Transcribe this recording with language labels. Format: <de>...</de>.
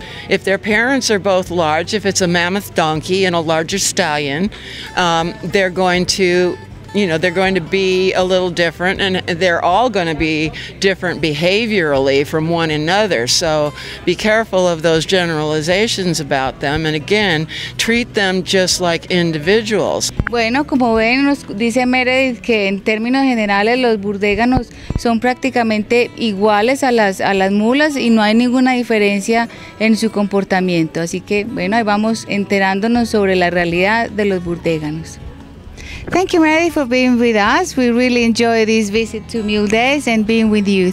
<en>If their parents are both large, if it's a mammoth donkey and a larger stallion, they're going to You know, they're going to be a little different, and they're all going to be different behaviorally from one another. So be careful of those generalizations about them, and again, treat them just like individuals.</en> <es>Bueno, como ven, nos dice Meredith que en términos generales los burdeganos son prácticamente iguales a las mulas y no hay ninguna diferencia en su comportamiento. Así que, bueno, ahí vamos enterándonos sobre la realidad de los burdeganos.</es> <en>Thank you, Meredith, for being with us. We really enjoy this visit to Mule Days and being with you.</en>